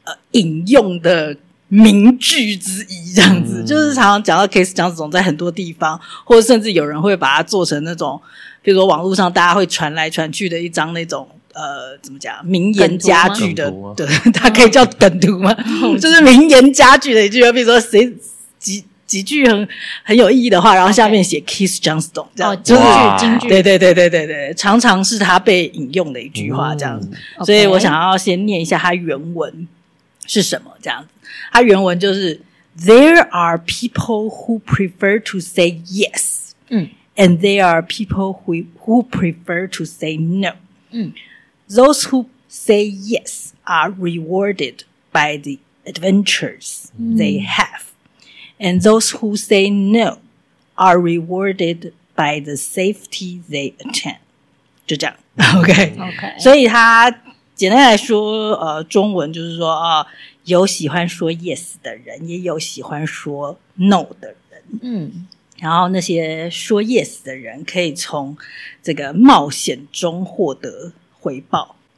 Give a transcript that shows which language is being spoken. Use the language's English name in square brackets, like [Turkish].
[Chinese] 引用的名句之一这样子，就是常常讲到 Keith Johnston 在很多地方，或者甚至有人会把它做成那种比如说网络上大家会传来传去的一张那种怎么讲名言佳句的，对，它可以叫梗图吗就是名言佳句的一句，比如说谁几句很有意义的话，然后下面写 Keith Johnston 这样，金句金句，对，常常是他被引用的一句话这样子所以我想要先念一下他原文是什么这样子，他原文就是 [English] There are people who prefer to say yes and there are people who prefer to say no Those who say yes are rewarded by the adventures they have. And those who say no are rewarded by the safety they attain. [Chinese] 就这样。 [English] Okay. [Chinese] 所以他简单来说中文就是说有喜欢说 yes 的人也有喜欢说 no 的人。然后那些说 yes 的人可以从这个冒险中获得回报。